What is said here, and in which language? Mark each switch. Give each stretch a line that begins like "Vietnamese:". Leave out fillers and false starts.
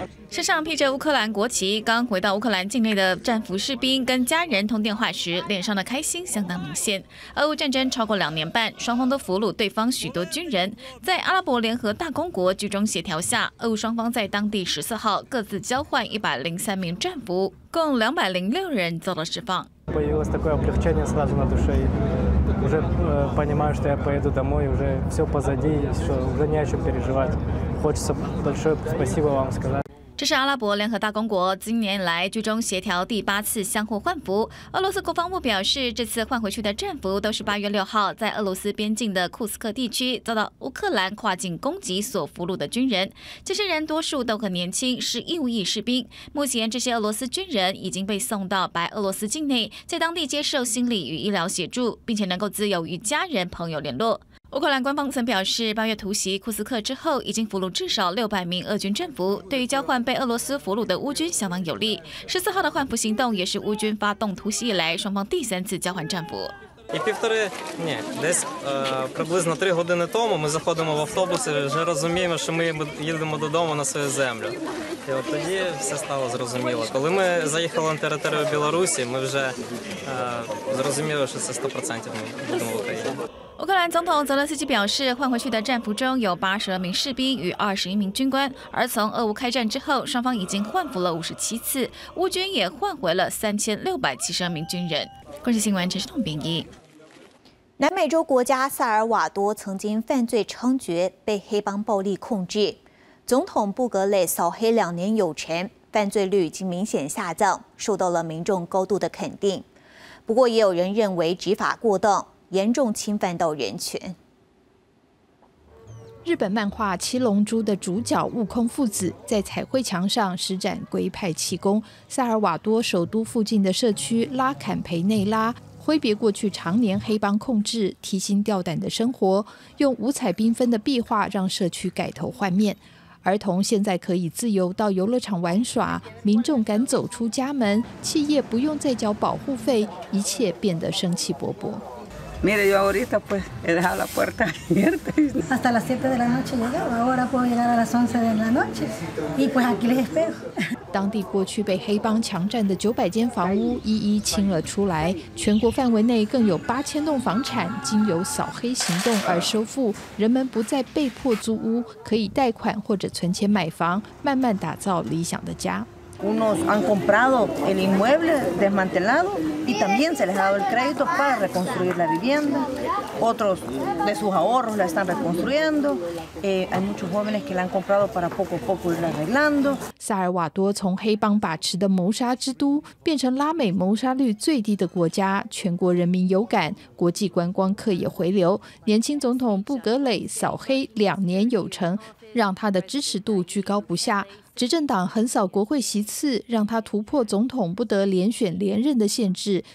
Chinese: 身上披着乌克兰国旗，刚回到乌克兰境内的战俘士兵跟家人通电话时，脸上的开心相当明显。俄乌战争超过2年半，双方都俘虏对方许多军人。在阿拉伯联合大公国居中协调下，俄乌双方在当地14号各自交换103名战俘，共206人遭到释放。
Russian: появилось такое облегчение сразу на душе. Уже понимаю, что я поеду домой, уже все позади, что уже не о чем переживать. Хочется большое спасибо вам сказать.
Chinese: 这是阿拉伯联合大公国今年来居中协调第8次相互换俘。俄罗斯国防部表示，这次换回去的战俘都是8月6号在俄罗斯边境的库斯克地区遭到乌克兰跨境攻击所俘虏的军人。这些人多数都很年轻，是义务役士兵。目前这些俄罗斯军人已经被送到白俄罗斯境内，在当地接受心理与医疗协助，并且能够自由与家人朋友联络。乌克兰官方曾表示，8月突袭库斯克之后，已经俘虏至少600名俄军战俘，对于交换被俄罗斯俘虏的乌军相当有利。 14号的换俘行动也是乌军发动突袭以来双方第3次交换战俘。
Ukrainian: І півтори, ні, десь приблизно 3 години тому ми заходимо в автобус і вже розуміємо, що ми їдемо додому на свою землю. І от тоді все стало зрозуміло. Коли ми заїхали на територію Білорусі, ми вже зрозуміли, що це 100% ми будемо в Україні.
Chinese: 乌克兰总统泽连斯基表示，换回去的战俘中有82名士兵与21名军官。而从俄乌开战之后，双方已经换俘了57次，乌军也换回了3672名军人。国际新闻，陈世栋编译。南美洲国家萨尔瓦多曾经犯罪猖獗，被黑帮暴力控制。总统布格雷扫黑两年有成，犯罪率已经明显下降，受到了民众高度的肯定。不过也有人认为执法过当，严重侵犯到人权。日本漫画《七龙珠》的主角悟空父子在彩绘墙上施展龟派气功，萨尔瓦多首都附近的社区拉坎培内拉挥别过去常年黑帮控制、提心吊胆的生活，用五彩缤纷的壁画让社区改头换面。儿童现在可以自由到游乐场玩耍，民众敢走出家门，企业不用再交保护费，一切变得生气勃勃。
Spanish: Mire, yo ahorita pues he dejado la puerta abierta. Hasta las 7 de la noche llegaba, ahora puedo llegar a las 11 de la noche. Y pues aquí les espero.
Chinese: 当地过去被黑帮强占的900间房屋一一清了出来，全国范围内更有8000栋房产经由扫黑行动而收复，人们不再被迫租屋，可以贷款或者存钱买房，慢慢打造理想的家。
Spanish: Unos han comprado el inmueble desmantelado y también se les ha dado el crédito para reconstruir la vivienda. Otros de sus ahorros la están reconstruyendo. Hay muchos jóvenes que la han comprado para poco a poco ir arreglando.
Chinese: 萨尔瓦多从黑帮把持的谋杀之都变成拉美谋杀率最低的国家，全国人民有感，国际观光客也回流。年轻总统布格雷扫黑两年有成，让他的支持度居高不下。执政党横扫国会席次，让他突破总统不得连选连任的限制。